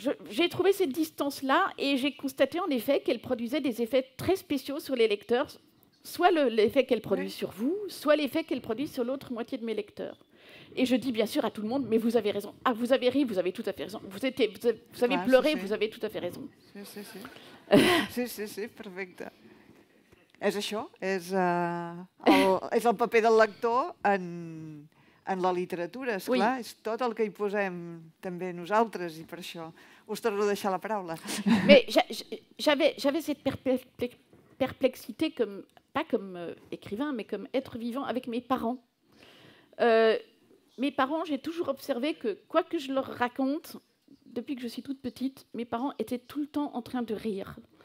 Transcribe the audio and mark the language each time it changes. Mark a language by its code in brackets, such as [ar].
[fr] J'ai trouvé cette distance-là et j'ai constaté en effet qu'elle produisait des effets très spéciaux sur les lecteurs, soit l'effet qu'elle produit sur vous, soit l'effet qu'elle produit sur l'autre moitié de mes lecteurs. Et je dis bien sûr à tout le monde, mais vous avez raison. Ah, vous avez ri, vous avez tout à fait raison. Vous avez pleuré, vous avez tout à fait raison. [ca] Sí, perfecte. És això, és el paper del lector en la literatura, és clar, és tot el que hi posem també nosaltres i per això us torno a deixar la paraula. [fr] Mais j'avais cette perplexité comme pas comme écrivain mais comme être vivant avec mes parents. Mes parents, j'ai toujours observé que quoi que je leur raconte depuis que je suis toute petite, mes parents étaient tout le temps en train de rire.